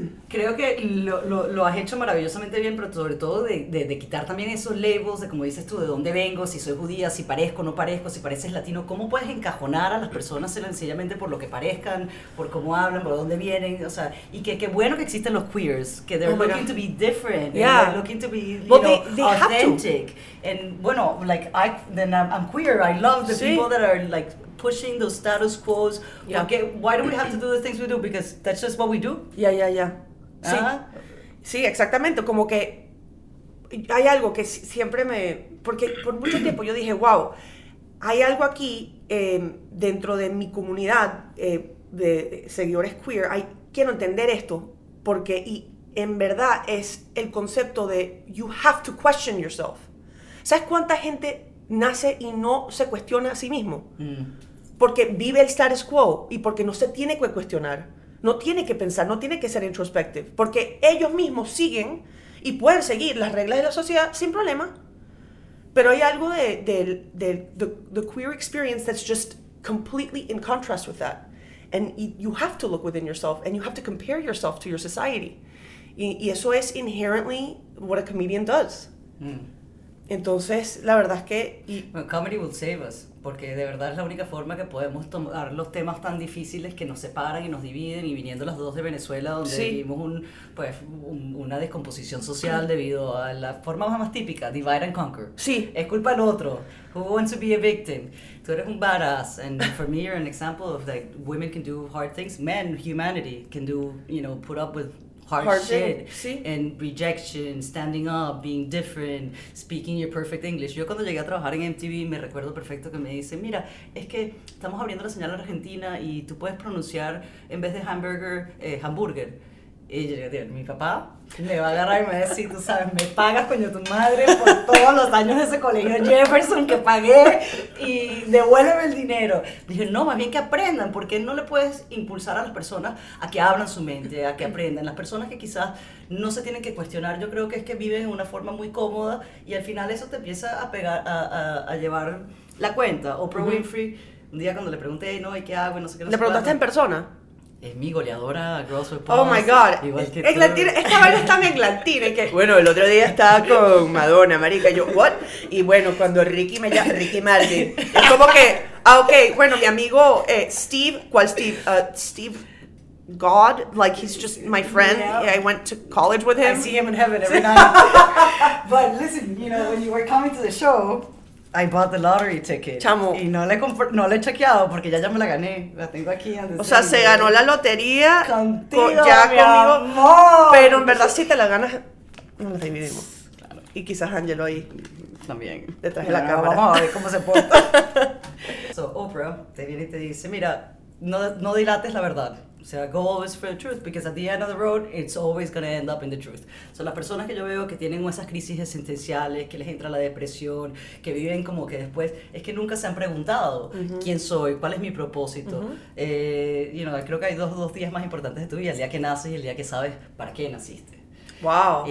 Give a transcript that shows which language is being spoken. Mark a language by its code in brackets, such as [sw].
[es] Creo que lo has hecho maravillosamente bien, pero sobre todo de quitar también esos labels de, como dices tú, de dónde vengo, si soy judía, si parezco, no parezco, si pareces latino. ¿Cómo puedes encajonar a las personas sencillamente por lo que parezcan, por cómo hablan, por dónde vienen? O sea, y que qué bueno que existen los queers, que [en] they're looking to be different, yeah. They're looking to be, you know, they authentic. And, bueno, like, I'm queer, I love the people that are, like, pushing those status quo. Yeah. Okay, why do we have to do the things we do? Because that's just what we do. [es] Yeah. Sí. Sí, exactamente. Como que hay algo que siempre me... Porque por mucho tiempo yo dije, wow, hay algo aquí dentro de mi comunidad de seguidores queer. Quiero entender esto. Porque y en verdad es el concepto de [en] you have to question yourself. [es] ¿Sabes cuánta gente nace y no se cuestiona a sí mismo? Porque vive el status quo y porque no se tiene que cuestionar. No tiene que pensar, no tiene que ser introspective. Porque ellos mismos siguen y pueden seguir las reglas de la sociedad sin problema. Pero hay algo de [en] the queer experience that's just completely in contrast with that. And you have to look within yourself and you have to compare yourself to your society. [es] Y eso es [en] inherently what a comedian does. [es] Entonces, la verdad es que... [en] Well, comedy will save us. [es] Porque de verdad es la única forma que podemos tomar los temas tan difíciles que nos separan y nos dividen, y viniendo las dos de Venezuela, donde vivimos una descomposición social debido a la forma más típica, [en] divide and conquer. [es] Sí. Es culpa del otro. [en] Who wants to be a victim? [es] Tú eres un [en] badass, and for me you're an example of that, like, women can do hard things, men, humanity, can do, you know, put up with hard shit, and rejection, standing up, being different, speaking your perfect English. [es] Yo cuando llegué a trabajar en MTV, me recuerdo perfecto que me dicen, mira, es que estamos abriendo la señal en Argentina y tú puedes pronunciar, en vez de hamburger, hamburger. Y yo le digo, mi papá me va a agarrar y me va a decir, tú sabes, me pagas, coño, tu madre, por todos los años de ese colegio Jefferson que pagué, y devuélveme el dinero. Dije, no, más bien que aprendan, porque no le puedes impulsar a las personas a que abran su mente, a que aprendan. Las personas que quizás no se tienen que cuestionar, yo creo que es que viven en una forma muy cómoda, y al final eso te empieza a pegar, a llevar la cuenta. Oprah Winfrey, un día cuando le pregunté, no, ¿y qué hago? ¿Le preguntaste en persona? Es mi goleadora, Girls with [en] Pumps. Oh my God. [es] Esta vaina está en Atlantina. Bueno, el otro día estaba con Madonna, marica. Yo, ¿what? Y bueno, cuando Ricky me llama, Ricky Martin. Es como que, ah, ok. Bueno, mi amigo Steve, ¿cuál Steve? [en] Steve God, like he's just my friend. Yeah. I went to college with him. I see him in heaven every night. But listen, you know, when you were coming to the show, I bought the lottery ticket. [es] Chamo. Y no le he chequeado porque ya me la gané. La tengo aquí. O sea, se ganó la lotería. Contigo, ya mi conmigo. Amor. Pero en verdad, si te la ganas, nos la dividimos. Claro. Y quizás Angelo ahí también. Detrás de la cámara. Vamos a ver cómo se porta. So, Oprah te viene y te dice: mira, no dilates la verdad. O sea, [en] go always for the truth, because at the end of the road, it's always going to end up in the truth. [es] So las personas que yo veo que tienen esas crisis existenciales, que les entra la depresión, que viven como que después, es que nunca se han preguntado quién soy, cuál es mi propósito. [en] You know, [es] creo que hay dos días más importantes de tu vida, el día que naces y el día que sabes para qué naciste. [en] Wow.